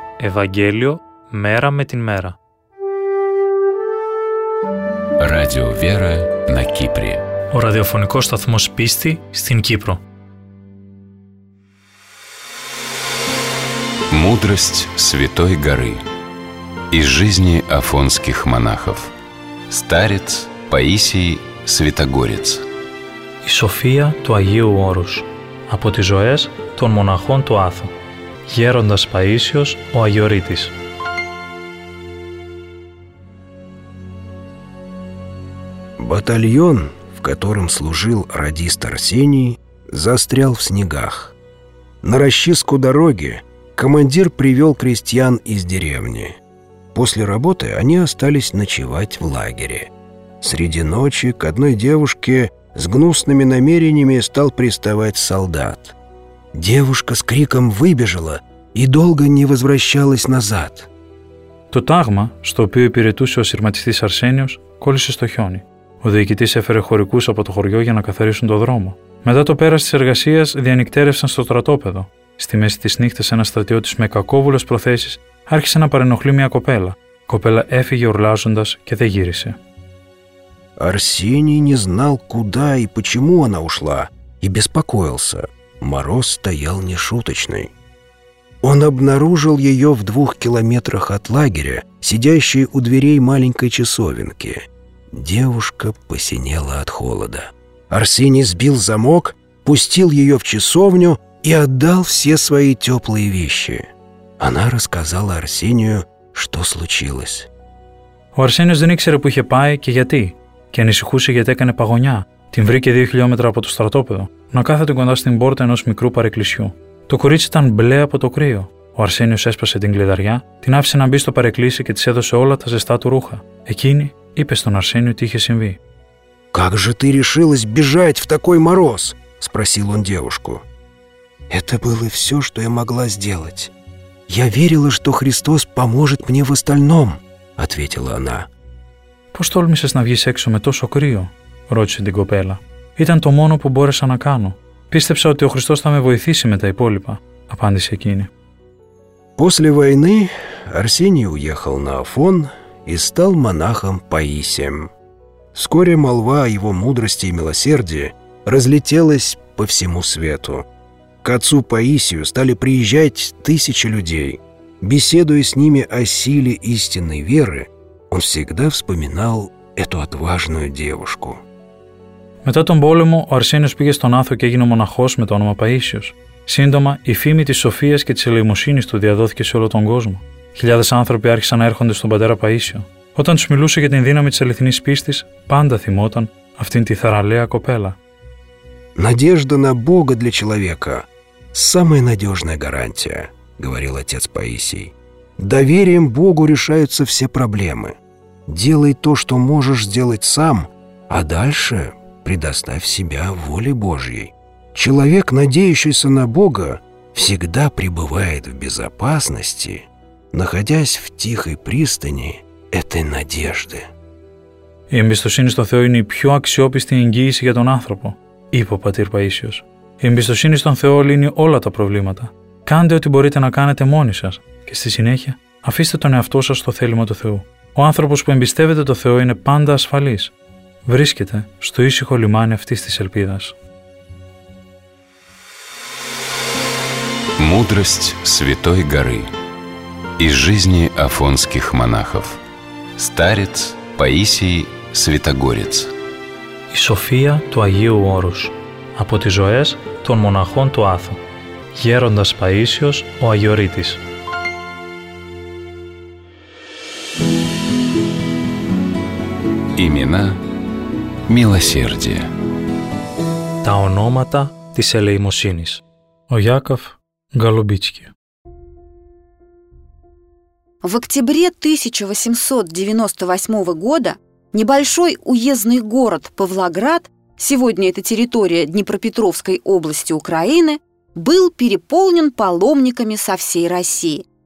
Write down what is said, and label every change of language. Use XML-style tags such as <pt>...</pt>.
<ru>Евангелие мера</ru> <el>με την</el> <ru>мера. Радио Вера на Кипре.</ru> <el>Ο ραδιοφωνικός σταθμός πίστη στην Κύπρο.</el> <ru>Мудрость Святой Горы. Из жизни афонских монахов. Старец Паисий Святогорец.</ru> <el>Η Σοφία του Αγίου Όρους. Από τις ζωές των μοναχών του Άθου. Γέροντας Παΐσιος, ο Αγιορείτης.</el> <ru>Батальон, в котором служил радист Арсений, застрял в снегах. На расчистку дороги командир привел крестьян из деревни. После работы они остались ночевать в лагере. Среди ночи к одной девушке с гнусными намерениями стал приставать солдат. Девушка с криком выбежала и долго не возвращалась назад.</ru> <el>То тагма, что пью перетусь о сирматистис Арсениус, колесе сто хёни. Ο διοικητής έφερε χωρικούς από το χωριό για να καθαρίσουν το δρόμο. Μετά το πέρας της εργασίας διανυκτέρευσαν στο στρατόπεδο. Στη μέση της νύχτας ένας στρατιώτης με κακόβουλες προθέσεις άρχισε να παρενοχλεί μια κοπέλα. Η κοπέλα έφυγε ουρλάζοντας και δεν γύρισε.</el> <ru>Арсений не знал, куда и почему она ушла, и беспокоился. Мороз стоял нешуточный. Он обнаружил ее в 2 километрах от лагеря, сидящей у дверей маленькой часовенки. Девушка посинела от холода. Арсений сбил замок, пустил ее в часовню и отдал все свои теплые вещи. Она рассказала Арсению, что случилось. У Арсения не</ru> <el>ξέρε που είχε πάει και γιατί. Και ανησυχούσε γιατί έκανε παγωνιά. Την βρήκε 2 χιλιόμετρα από το στρατόπεδο, να κάθεται κοντά στην πόρτα ενός μικρού παρεκκλησιού. Το κορίτσι ήταν μπλε από το κρύο. Ο Αρσένιος έσπασε την κλειδαριά, την άφησε να μπει στο παρεκκλήσι και της έδωσε όλα τα ζεστά του ρούχα. Εκείνη είπε στον Αρσένιο τι είχε συμβεί.</el> <ru>«Как же ты решилась бежать в такой мороз?» – спросил он девушку. «Это было все, что я могла сделать. Я верила, что Христос поможет мне в остальном», – ответила она.</ru> <el>«Πώς τόλμησες να βγεις έξω με τόσο κρύο?» ρώτησε την κοπέλα. «Ήταν το μόνο που μπόρεσα να κάνω. Πίστεψα ότι ο Χριστός θα με βοηθήσει με τα υπόλοιπα», απάντησε εκείνη.</el> <ru>После войны Арсений уехал на Афон и стал монахом Паисием. Вскоре молва о его мудрости и милосердии разлетелась по всему свету. К отцу Паисию стали приезжать 1000 людей. Беседуя с ними о силе истинной веры, он всегда вспоминал эту отважную девушку.</ru> <el>Μετά τον πόλεμο, ο Αρσένιος πήγε στον Άθο και έγινε μοναχός με το όνομα Παΐσιος. Σύντομα, η φήμη της σοφίας και της ελεημοσύνης του διαδόθηκε σε όλο τον κόσμο. Χιλιάδες άνθρωποι άρχισαν να έρχονται στον πατέρα Παΐσιο. Όταν τους μιλούσε για την δύναμη της αληθινής πίστης, πάντα θυμόταν αυτήν τη θαραλέα κοπέλα.</el> <ru>«Надежда на Бога для человека – самая надежная гарантия», – говорил отец Паисий. «Доверием Богу решаются все проблемы. Делай то, что можешь сделать сам, а дальше предоставь себя воле Божьей. Человек, надеющийся на Бога, всегда пребывает в безопасности, находясь в тихой пристани этой надежды».</ru> <el>«Η εμπιστοσύνη στον Θεό είναι η πιο αξιόπιστη εγγύηση για τον άνθρωπο», είπε ο πατήρ Παΐσιος. «Η εμπιστοσύνη στον Θεό λύνει όλα τα προβλήματα. Κάντε ό,τι μπορείτε να κάνετε μόνοι σας και στη συνέχεια αφήστε τον εαυτό σας στο θέλημα του Θεού. Ο άνθρωπος που εμπιστεύεται το Θεό είναι πάντα ασφαλής. Βρίσκεται στο ήσυχο λιμάνι αυτής της ελπίδας».</el> <ru>Мудрость Святой Горы. Из жизни афонских монахов. Старец Паисий Святогорец.</ru> <el>Η Σοφία του Αγίου Όρους. Από τις ζωές των μοναχών του Άθου. Γέροντας Παΐσιος, ο Αγιορείτης.</el> <ru>Имена милосердия.</ru> <el>Τα ονόματα της ελεημοσύνης. Ο Яков Голубицкий.</el> <ru>В октябре 1898 года небольшой уездный город Павлоград сегодня это территория Днепропетровской области Украины, был переполнен паломниками со всей России.</ru>